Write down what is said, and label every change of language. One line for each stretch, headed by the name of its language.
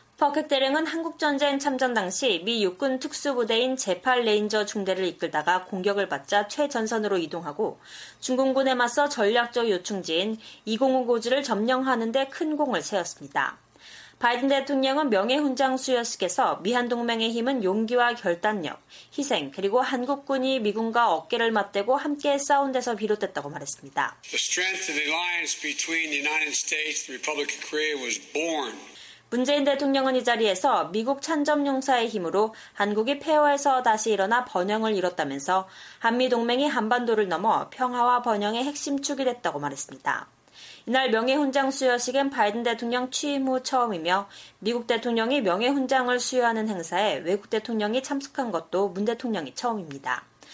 Korean: 퍼케 대령은 한국전쟁 참전 당시 미 육군 특수부대인 제8 레인저 중대를 이끌다가 공격을 받자 최전선으로 이동하고 중공군에 맞서 전략적 요충지인 2055지를 점령하는 데 큰 공을 세웠습니다. 바이든 대통령은 명예훈장 수여식에서 미한동맹의 힘은 용기와 결단력, 희생, 그리고 한국군이 미군과 어깨를 맞대고 함께 싸운 데서 비롯됐다고 말했습니다.
English: The strength of the alliance between the United States and the Republic of Korea was born.
Korean: 문재인 대통령은 이 자리에서 미국 참전용사의 힘으로 한국이 폐허에서 다시 일어나 번영을 이뤘다면서 한미동맹이 한반도를 넘어 평화와 번영의 핵심축이 됐다고 말했습니다. 이날 명예훈장 수여식은 바이든 대통령 취임 후 처음이며 미국 대통령이 명예훈장을 수여하는 행사에 외국 대통령이 참석한 것도 문 대통령이 처음입니다.